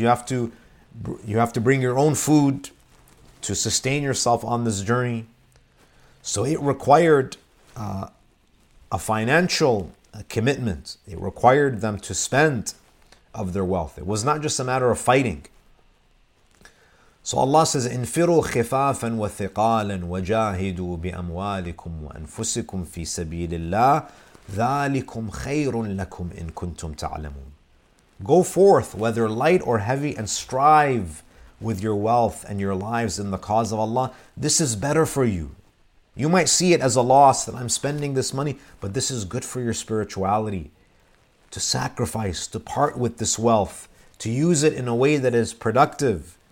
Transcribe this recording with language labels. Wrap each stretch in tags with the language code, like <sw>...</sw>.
<en>You have to bring your own food to sustain yourself on this journey. So it required a financial commitment. It required them to spend of their wealth. It was not just a matter of fighting. So Allah says,</en> <ar>انفروا خفافا وثقالا وجاهدوا بأموالكم وأنفسكم في سبيل الله ذلكم خير لكم إن كنتم تعلمون.</ar> <en>Go forth, whether light or heavy, and strive with your wealth and your lives in the cause of Allah. This is better for you. You might see it as a loss that I'm spending this money, but this is good for your spirituality. To sacrifice, to part with this wealth, to use it in a way that is productive.</en>